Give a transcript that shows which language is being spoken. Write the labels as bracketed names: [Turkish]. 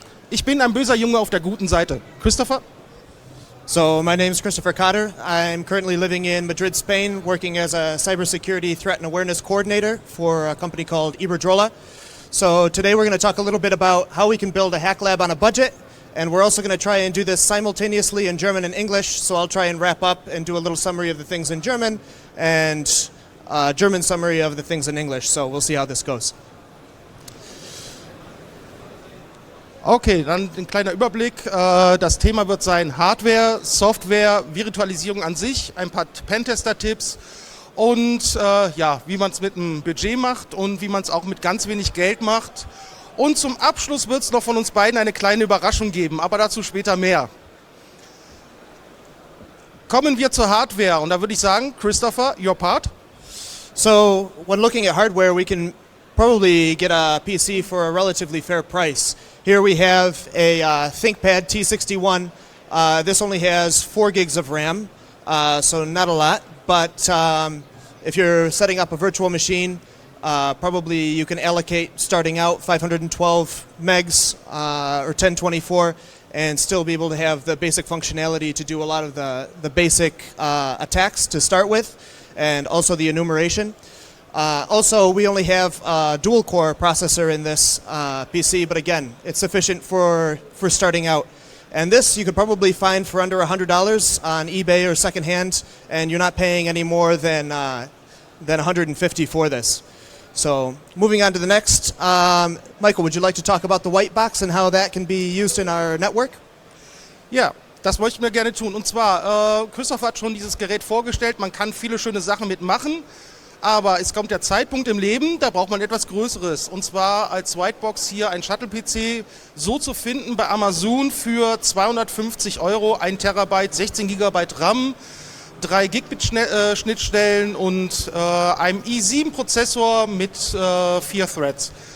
[German] Ich bin ein böser Junge auf der guten Seite. [English] Christopher? So, my name is Christopher Cotter. I'm currently living in Madrid, Spain, working as a cybersecurity threat and awareness coordinator for a company called Iberdrola. So today we're going to talk a little bit about how we can build a hack lab on a budget, and we're also going to try and do this simultaneously in German and English, so I'll try and wrap up and do a little summary of the things in German and a German summary of the things in English, so we'll see how this goes. [German] Okay, dann ein kleiner Überblick. Das Thema wird sein Hardware, Software, Virtualisierung an sich, ein paar Pentester-Tipps und wie man es mit einem Budget macht und wie man es auch mit ganz wenig Geld macht. Und zum Abschluss wird es noch von uns beiden eine kleine Überraschung geben, aber dazu später mehr. Kommen wir zur Hardware und da würde ich sagen, Christopher, [English] your part. So, when looking at hardware, we can probably get a PC for a relatively fair price. Here we have a ThinkPad T61. This only has 4 gigs of RAM, so not a lot. But if you're setting up a virtual machine, probably you can allocate starting out 512 megs or 1024 and still be able to have the basic functionality to do a lot of the basic attacks to start with, and also the enumeration. Also, we only have a dual-core processor in this PC, but again, it's sufficient for starting out. And this you could probably find for under $100 on eBay or secondhand, and you're not paying any more than $150 for this. So, moving on to the next. Michael, would you like to talk about the white box and how that can be used in our network? Yeah. [German] Das möchte ich mir gerne tun. Und zwar, Christoph hat schon dieses Gerät vorgestellt. Man kann viele schöne Sachen mitmachen, aber es kommt der Zeitpunkt im Leben, da braucht man etwas Größeres. Und zwar als Whitebox hier ein Shuttle-PC so zu finden bei Amazon für 250 Euro, 1 Terabyte, 16 Gigabyte RAM, 3 Gigabit-Schnittstellen und einem i7-Prozessor mit 4 Threads.